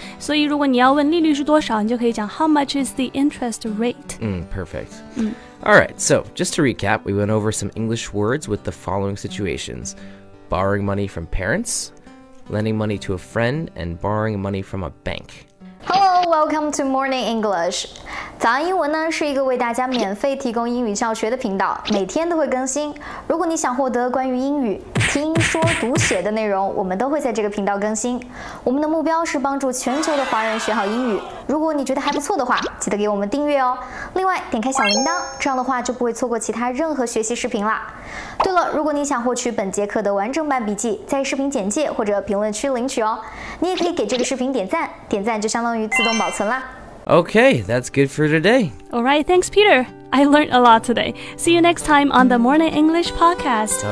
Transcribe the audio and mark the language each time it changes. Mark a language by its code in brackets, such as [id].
[zh] 所以如果你要问利率是多少，你就可以讲 [en] how much is the interest rate。嗯 ，perfect。嗯，all right。 So just to recap, we went over some English words with the following situations: borrowing money from parents, lending money to a friend, and borrowing money from a bank. Welcome to Morning English. [zh] 早安英文呢是一个为大家免费提供英语教学的频道，每天都会更新。如果你想获得关于英语听说读写的内容，我们都会在这个频道更新。我们的目标是帮助全球的华人学好英语。如果你觉得还不错的话，记得给我们订阅哦。另外，点开小铃铛，这样的话就不会错过其他任何学习视频啦。对了，如果你想获取本节课的完整版笔记，在视频简介或者评论区领取哦。你也可以给这个视频点赞，点赞就相当于自动保存啦。 [en] Okay, that's good for today. All right, thanks, Peter. I learned a lot today. See you next time on the Morning English Podcast.